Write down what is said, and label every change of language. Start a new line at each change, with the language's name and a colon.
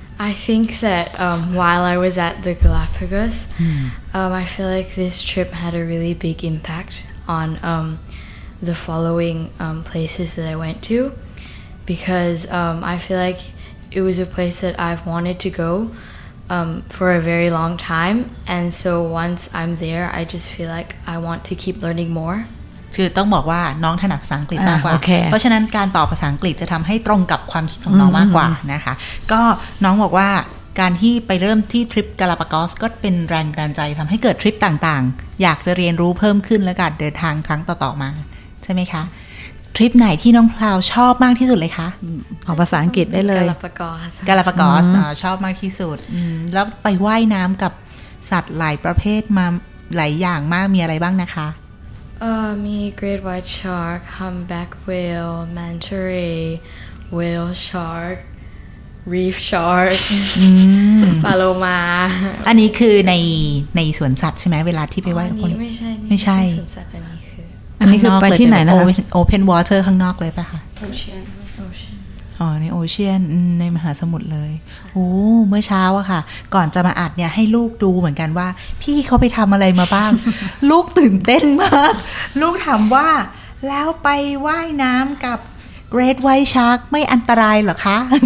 English: I think that while I was at the Galapagos I feel like this trip had a really big impact on the following places that I went to because I feel likeIt was a place that I've wanted to go for a very long time, and so once I'm there, I just feel like I want to keep learning more.
Thai: คือต้องบอกว่าน้องถนัดภาษาอังกฤษมากกว่าเพราะฉะนั้นการตอบภาษาอังกฤษจะทำให้ตรงกับความคิดของน้องมากกว่านะคะก็น้องบอกว่าการที่ไปเริ่มที่ทริปกาลาปากอสก็เป็นแรงบันดาลใจทำให้เกิดทริปต่างๆอยากจะเรียนรู้เพิ่มขึ้นและการเดินทางครั้งต่อๆมาใช่ไหมคะ ทริปไหนที่น้องพลาวชอบมากที่สุดเลยคะ เอาภาษาอังกฤษได้เลย กาลาปากอส กาลาปากอสชอบมากที่สุดแล้วไปว่ายน้ำกับสัตว์หลายประเภทมาหลายอย่างมากมีอะไรบ้างนะคะ
English: มี great white shark humpback whale manta ray whale sharkreef shark ปลาโลมา
Thai: อันนี้คือในสวนสัตว์ใช่ไหมเวลาที่ไปว่าย คนนี้ไม่ใช่สวนสัตว์อันนี้คืออันนี้คือไปที่ไหนนะคะ
English: open water
Thai: ข้างนอกเลยป่ะคะ
English: ocean
Thai: อ๋อใน ocean ในมหาสมุทรเลยโอ้เมื่อเช้าอะค่ะก่อนจะมาอัดเนี่ยให้ลูกดูเหมือนกันว่าพี่เขาไปทำอะไรมาบ้างลูกตื่นเต้นมากลูกถามว่าแล้วไปว่ายน้ำกับ great white shark ไม่อันตรายเหรอคะ